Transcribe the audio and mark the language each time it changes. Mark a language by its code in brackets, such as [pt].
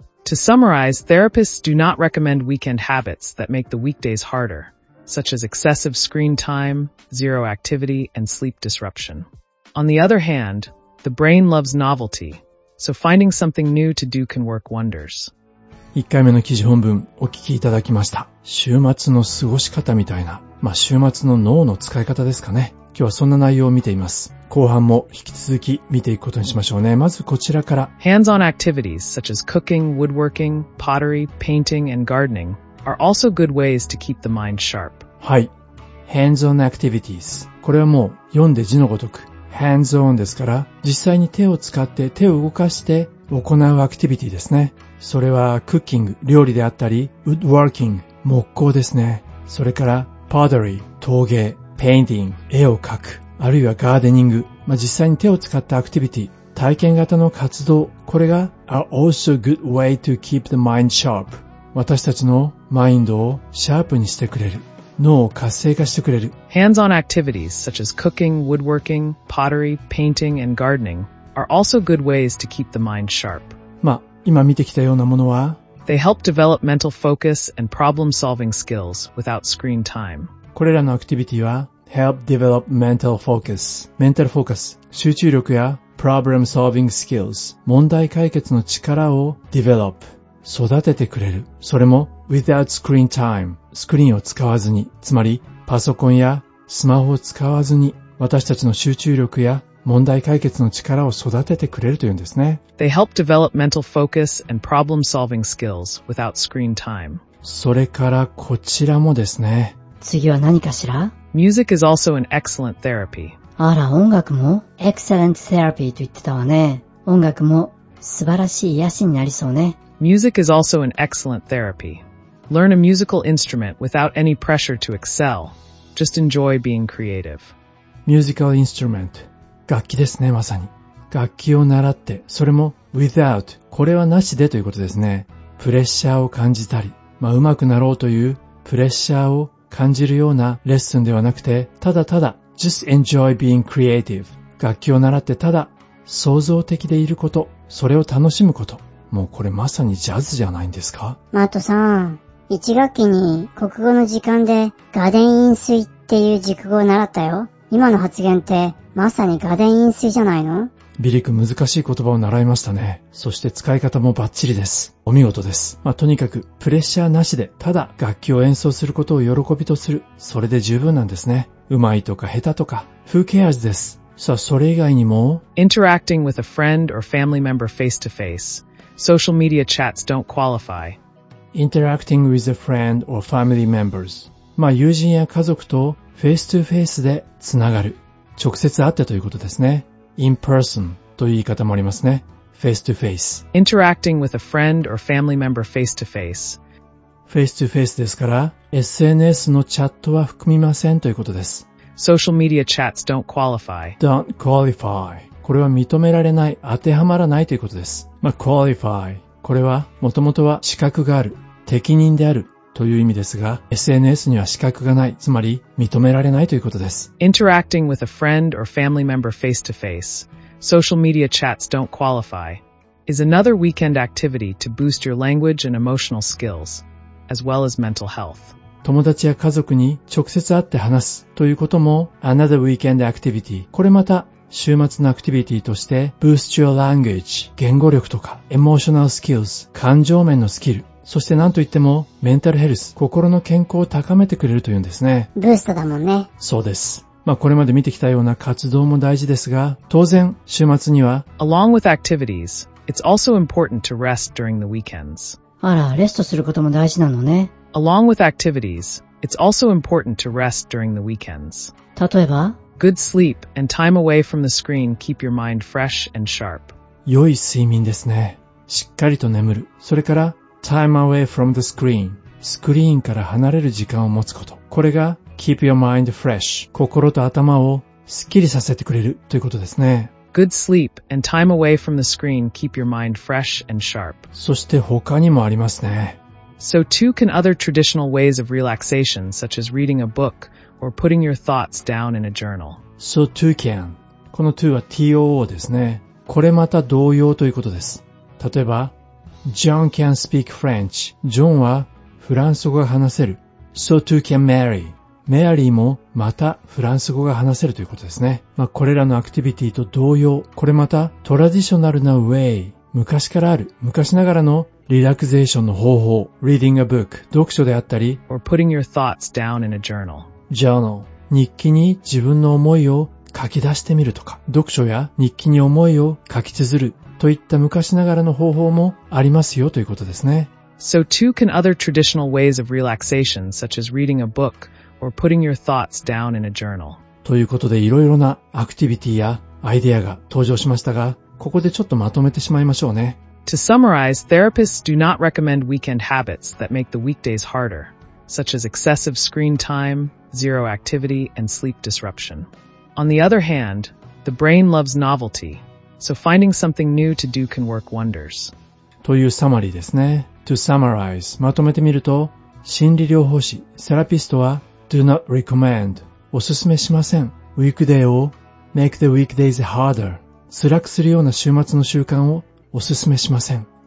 [en] To summarize, therapists do not recommend weekend habits that make the weekdays harder, such as excessive screen time, zero activity, and sleep disruption. On the other hand, the brain loves novelty, so finding something new to do can work wonders. [ja] 1回目の記事本文お聞きいただきました。週末の過ごし方みたいな、まあ週末の脳の使い方ですかね。今日はそんな内容を見ています。後半も引き続き見ていくことにしましょうね。まずこちらから。 [en] Hands-on activities such as cooking, woodworking, pottery, painting, and gardening are also good ways to keep the mind sharp. はい。Hands-on activities。 [ja] これはもう読んで字のごとく。Hands-on ですから、実際に手を使って手を動かして行うアクティビティですね。それはクッキング、料理であったり、woodworking、木工ですね。それから、pottery、陶芸。painting、絵を描く、あるいはガーデニング、まあ、実際に手を使ったアクティビティ、体験型の活動、これが [en] are also good way to keep the mind sharp。 [ja] 私たちのマインドをシャープにしてくれる、脳を活性化してくれる。 [en] Hands-on activities such as cooking, woodworking, pottery, painting, and gardening are also good ways to keep the mind sharp。 [ja] まあ、今見てきたようなものは [en] They help develop mental focus and problem-solving skills without screen time。 [ja] これらのアクティビティは [en] help develop mental focus。 [ja] メンタルフォーカス、集中力や [en] problem solving skills、 [ja] 問題解決の力を develop、 育ててくれる。それも [en] without screen time、 [ja] スクリーンを使わずに、つまりパソコンやスマホを使わずに、私たちの集中力や問題解決の力を育ててくれるというんですね。 [en] They help develop mental focus and problem solving skills without screen time。 [ja] それからこちらもですね。次は何かしら? [en] Music is also an excellent therapy. [ja] あら、音楽も? [en] Excellent therapy [ja] と言ってたわね。音楽も素晴らしい癒しになりそうね。 [en] Music is also an excellent therapy. Learn a musical instrument without any pressure to excel. Just enjoy being creative. Musical instrument. [ja] 楽器ですね、まさに。楽器を習って、それも without、これはなしでということですね。プレッシャーを感じたり、まあ上手くなろうというプレッシャーを感じるようなレッスンではなくて、ただただ [en] just enjoy being creative。 [ja] 楽器を習ってただ創造的でいること、それを楽しむこと、もうこれまさにジャズじゃないんですか。マートさん、1学期に国語の時間でガデンインスイっていう熟語を習ったよ。今の発言ってまさに画伝飲水じゃないの？ビリ君、難しい言葉を習いましたね。そして使い方もバッチリです。お見事です。まあ、とにかくプレッシャーなしでただ楽器を演奏することを喜びとする、それで十分なんですね。上手いとか下手とか [en] Who cares [ja] です。さあ、それ以外にも [en] Interacting with a friend or family member face to face. Social media chats don't qualify. Interacting with a friend or family members. [ja] まあ、友人や家族と [en] face to face [ja] でつながる、直接会ってということですね。 [en] In person [ja] という言い方もありますね。 [en] Face to face. Interacting with a friend or family member face to face. Face to face [ja] ですから SNS のチャットは含みませんということです。 [en] Social media chats don't qualify. Don't qualify. [ja] これは認められない、当てはまらないということです。まあ、qualify、 これはもともとは資格がある、適任であるという意味ですが、 SNS には資格がない、つまり認められないということです。 [en] Interacting with a friend or family member face to face. Social media chats don't qualify. Is another weekend activity to boost your language and emotional skills, as well as mental health. [ja] 友達や家族に直接会って話すということも [en] another weekend activity。 [ja] これまた週末のアクティビティとして [en] boost your language、 [ja] 言語力とか [en] emotional skills、 [ja] 感情面のスキル、そして何と言ってもメンタルヘルス、心の健康を高めてくれるというんですね。ブーストだもんね。そうです。まあ、これまで見てきたような活動も大事ですが、当然週末には [en] Along with activities, it's also important to rest during the weekends. [ja] あら、レストすることも大事なのね。 [en] Along with activities, it's also important to rest during the weekends. [ja] 例えば [en] Good sleep and time away from the screen keep your mind fresh and sharp. [ja] 良い睡眠ですね。しっかりと眠る。 [en] それからTime away from the screen. [ja] スクリーンから離れる時間を持つこと。 [en] これが keep your mind fresh. [ja] 心と頭をすっきりさせてくれるということですね。 [en] Good sleep and time away from the screen keep your mind fresh and sharp. [ja] そして他にもありますね。 [en] So too can other traditional ways of relaxation, such as reading a book or putting your thoughts down in a journal. So too can. [ja] この too は too ですね。これまた同様ということです。 [en] 例えば、John can speak French. [ja] ジョンはフランス語が話せる。 [en] So too can Mary. [ja] メアリーもまたフランス語が話せるということですね。まあ、これらのアクティビティと同様、これまたトラディショナルな way、 昔からある昔ながらのリラクゼーションの方法、 [en] reading a book、 [ja] 読書であったり、 [en] or putting your thoughts down in a journal、 [ja] journal、 日記に自分の思いを書き出してみるとか、読書や日記に思いを書き綴るといった昔ながらの方法もありますよということですね。 [en] So too can other traditional ways of relaxation, such as reading a book or putting your thoughts down in a journal. [ja] ということで、いろいろなアクティビティやアイデアが登場しましたが、ここでちょっとまとめてしまいましょうね。 [en] To summarize, therapists do not recommend weekend habits that make the weekdays harder, such as excessive screen time, zero activity, and sleep disruption. On the other hand, the brain loves novelty. So finding something new to do can work wonders. [ja] というサマリーですね。 [en] To summarize, [ja] まとめてみると、心理療法士、セラピストは [en] Do not recommend, [ja] おすすめしません。 Weekday を [en] Make the weekdays harder, [ja] 辛くするような週末の習慣をおすすめしません。